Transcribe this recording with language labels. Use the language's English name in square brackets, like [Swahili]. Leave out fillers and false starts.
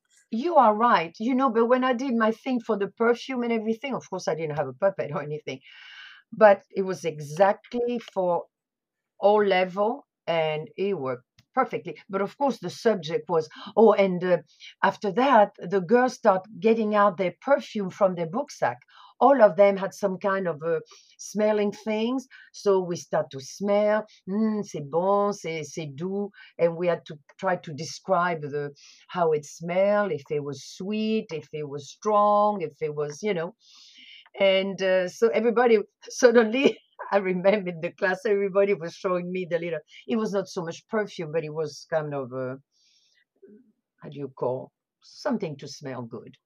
[English] You are right, you know, but when I did my thing for the perfume and everything, of course, I didn't have a puppet or anything, but it was exactly for all level and it worked perfectly. But of course, the subject was, oh, and after that, the girls start getting out their perfume from their book sack. All of them had some kind of smelling things. So we start to smell, [French] c'est bon, c'est doux. [English] And we had to try to describe how it smelled, if it was sweet, if it was strong, if it was, you know. And so everybody suddenly, I remember in the class, everybody was showing me the little, it was not so much perfume, but it was kind of, how do you call, something to smell good.